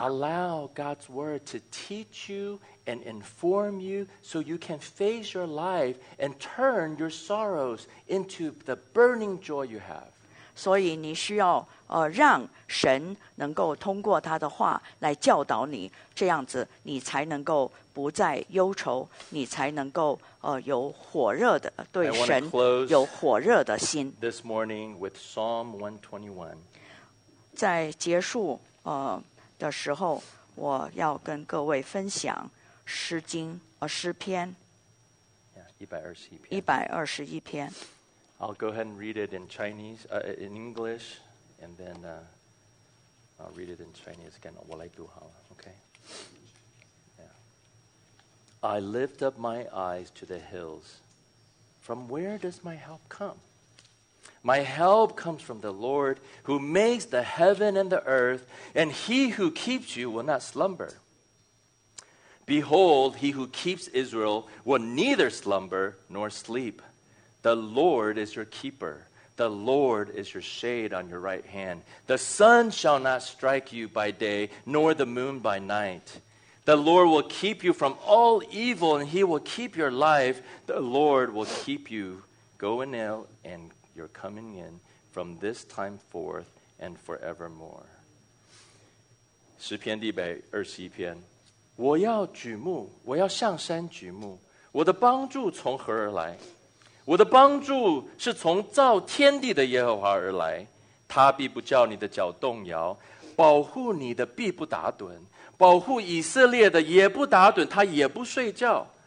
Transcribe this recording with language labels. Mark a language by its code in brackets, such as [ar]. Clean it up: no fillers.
[en] Allow God's word to teach you and inform you so you can face your life and turn your sorrows into the burning joy you have. [zh] 所以你需要让神能够通过他的话来教导你这样子你才能够不再忧愁你才能够有火热的对神有火热的心 [en] This morning with Psalm 121 [zh] 在结束的时候我要跟各位分享诗经诗篇 121篇。 [en] I'll go ahead and read it in Chinese, in English, and then I'll read it in Chinese again. [zh] 我来读好了 ， [en] OK? Yeah. I lift up my eyes to the hills. From where does my help come? My help comes from the Lord, who makes the heaven and the earth, and he who keeps you will not slumber. Behold, he who keeps Israel will neither slumber nor sleep. The Lord is your keeper. The Lord is your shade on your right hand. The sun shall not strike you by day, nor the moon by night. The Lord will keep you from all evil, and he will keep your life. The Lord will keep you going out and your coming in from this time forth and forevermore. [zh] 诗篇第121篇。我要举目，我要向山举目，我的帮助从何而来？我的帮助是从造天地的耶和华而来，他必不叫你的脚动摇，保护你的必不打盹，保护以色列的也不打盹，他也不睡觉。